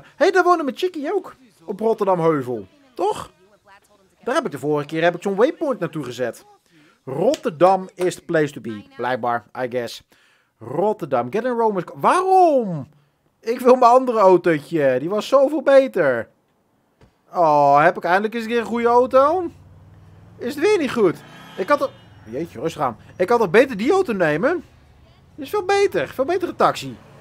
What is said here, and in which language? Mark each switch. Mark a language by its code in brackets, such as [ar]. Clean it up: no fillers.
[nl] Hé, hey, daar wonen mijn chickie ook. Op Rotterdam Heuvel. Toch? Daar heb ik de vorige keer heb ik zo'n waypoint naartoe gezet. [en] Rotterdam is the place to be. [nl] Blijkbaar, [en] I guess. Rotterdam. Get in Roman's car. [nl] Waarom? Ik wil mijn andere autootje. Die was zoveel beter. Oh, heb ik eindelijk eens een keer een goede auto? Is het weer niet goed? Ik had er... Jeetje, rustig aan. Ik had er beter die auto nemen. Die is veel beter. Veel betere taxi.